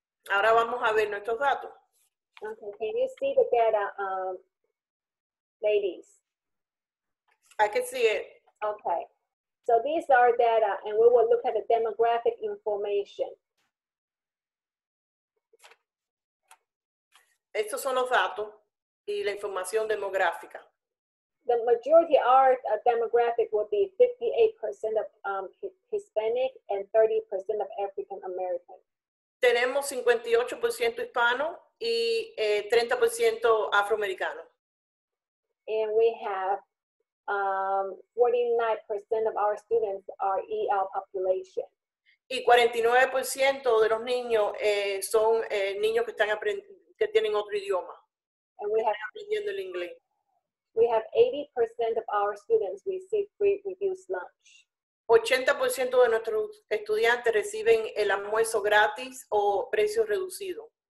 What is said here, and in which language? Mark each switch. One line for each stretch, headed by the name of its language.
Spanish: Ahora vamos a ver nuestros datos.
English: Okay. Can you see the data? Ladies, I can see it. Okay, so these are data, and we will look at the demographic information.
Spanish: Estos son los datos y la información demográfica.
English: The majority of our demographic will be 58% of Hispanic and 30% of African American.
Spanish: Tenemos 58% hispano y 30% afroamericano.
English: And we have 49% of our students are EL population.
Spanish: Y 49% de los niños son niños que están que tienen otro idioma.
English: And we have
Spanish: aprendiendo el inglés.
English: We have 80% of our students receive free reduced lunch.
Spanish: 80% de nuestros estudiantes reciben el almuerzo gratis o precio reducido.